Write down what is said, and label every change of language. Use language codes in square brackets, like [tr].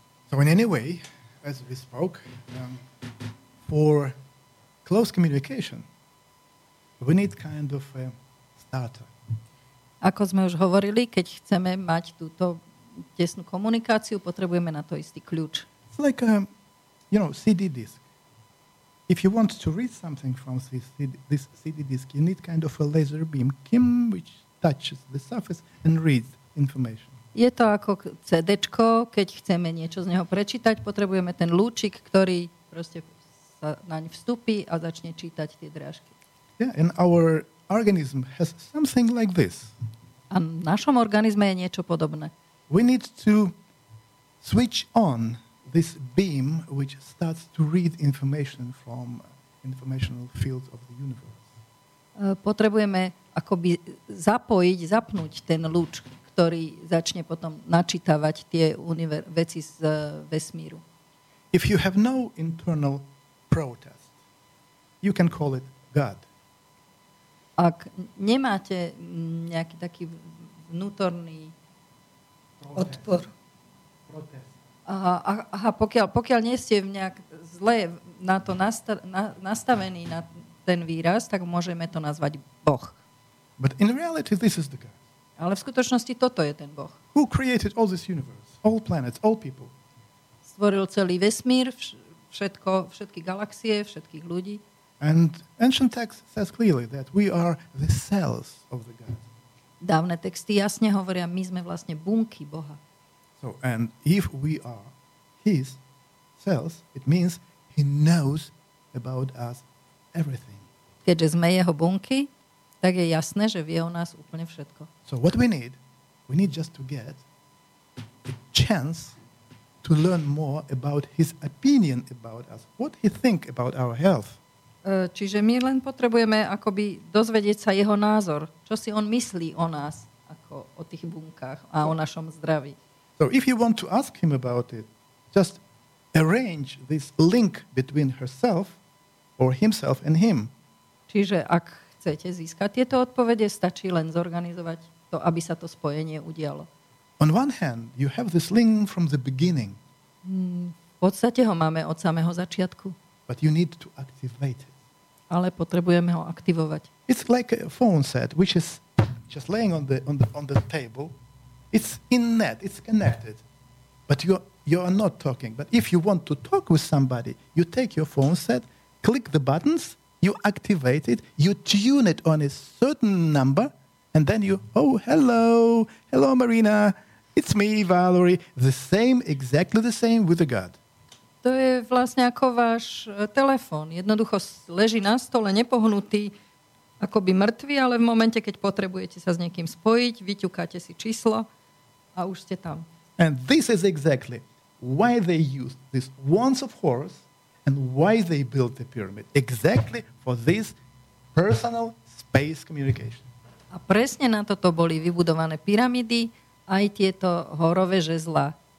[en] So in any way, as we spoke, for close communication, we need kind of a starter. [sk] Ako sme už hovorili, keď chceme mať túto tesnú komunikáciu, potrebujeme na to istý kľúč. [en] It's like a, you know, CD disk. If you want to read something from this CD disk, you need kind of a laser beam, kim, which touches the surface and reads information. [sk] Je to ako CDčko, keď chceme niečo z neho prečítať, potrebujeme ten lúčik, ktorý proste sa naň vstupí a začne čítať tie drážky. [en] Yeah, and our organism has something like this. [sk] A v našom organizme je niečo podobné. [en] We need to switch on this beam which starts to read information from informational fields of the universe. [sk] Potrebujeme akoby zapojiť, zapnúť ten lúč, ktorý začne potom načítavať tie veci z vesmíru. [en] If you have no internal protest, you can call it God. [sk] Ak nemáte nejaký taký vnútorný protest. Odpor. Protest. Aha, pokiaľ nie ste nejak zle na to nastavený na ten výraz, tak môžeme to nazvať Boh. [en] But in reality, this is the God. [sk] Ale v skutočnosti toto je ten Boh. [en] Who created all this universe, all planets, all people? [sk] Stvoril celý vesmír, všetko, všetky galaxie, všetkých ľudí. [en] And ancient text says clearly that we are the cells of the God. [sk] Dávne texty jasne hovoria, my sme vlastne bunky Boha. [en] So, and if we are his cells, it means he knows about us everything. [sk] Keďže sme jeho bunky, tak je jasné, že vie o nás úplne všetko. [en] So what we need just to get a chance to learn more about his opinion about us, what he think about our health. [sk] Čiže my len potrebujeme akoby dozvedieť sa jeho názor, čo si on myslí o nás, ako o tých bunkách a o našom zdraví. [en] So if you want to ask him about it, just arrange this link between herself or himself and him. [sk] Čiže ak chcete získať tieto odpovede, stačí len zorganizovať to, aby sa to spojenie udialo. [en] On one hand, you have this link from the beginning. [sk] V podstate ho máme od samého začiatku. [en] But you need to activate it. [sk] Ale potrebujeme ho aktivovať. [en] It's like a phone set which is just laying on the table. It's in net, it's connected. But you are not talking. But if you want to talk with somebody, you take your phone set, click the buttons, you activate it, you tune it on a certain number, and then you, oh, hello, hello Marina, it's me, Valerie, the same, exactly the same with the God. [sk] To je vlastne ako váš telefón. Jednoducho leží na stole, nepohnutý, akoby mŕtvy, ale v momente, keď potrebujete sa s niekým spojiť, vyťukáte si číslo a už ste tam. [en] And this is exactly why they used this wands of Horus and why they built the pyramid. Exactly for this personal space communication. [sk] A presne na toto boli vybudované pyramidy, aj tieto horové žezlá.